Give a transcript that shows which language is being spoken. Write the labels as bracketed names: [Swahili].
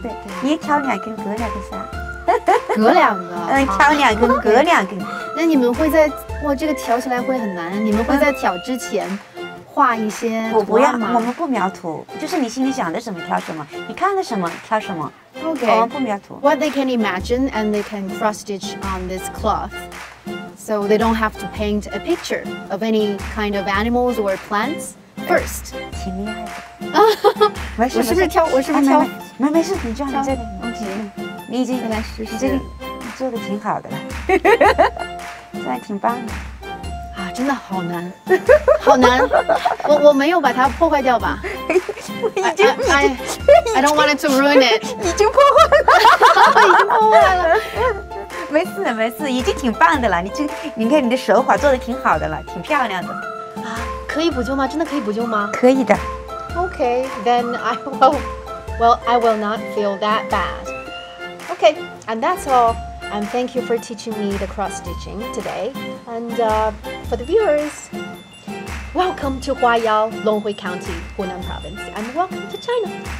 [Chinese] 对，你也挑两根，隔两个三。隔两个，挑两根，隔两根。那你们会在哇，这个挑起来会很难。你们会在挑之前画一些图案吗？我不要，我们不描图，就是你心里想的什么挑什么，你看的什么挑什么。 [English] Okay. [Chinese] 我们不描图。 [English] What they can imagine and they can cross stitch on this cloth, so they don't have to paint a picture of any kind of animals or plants first. [Chinese] 挺厉害的。没事，我是不是挑？没事，你这样这个问题。你已经来试试，这个做的挺好的了，算挺棒的啊！真的好难，好难！我没有把它破坏掉吧？已经 [English] I don't want it to ruin it， [Chinese] 已经破坏了，已经破坏了。没事，已经挺棒的了。你看你的手法做的挺好的了，挺漂亮的。可以补救吗？真的可以补救吗？可以的。 [English] Okay, then I will not feel that bad. Okay, and that's all. And thank you for teaching me the cross stitching today. And for the viewers, welcome to Huayao, Longhui County, Hunan Province, and welcome to China.